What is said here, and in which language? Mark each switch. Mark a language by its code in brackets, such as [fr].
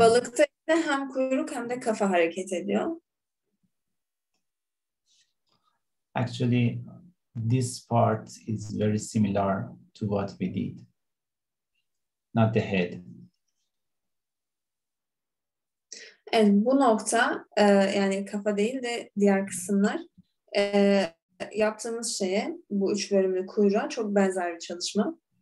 [tr] Balıkta ise hem kuyruk hem de kafa hareket ediyor. [en] Actually, this part is very similar to what we did. Not the head. [tr] Evet, bu nokta, yani kafa değil de diğer kısımlar, yaptığımız şeye, bu üç bölümlü kuyruğa çok benzer bir çalışma.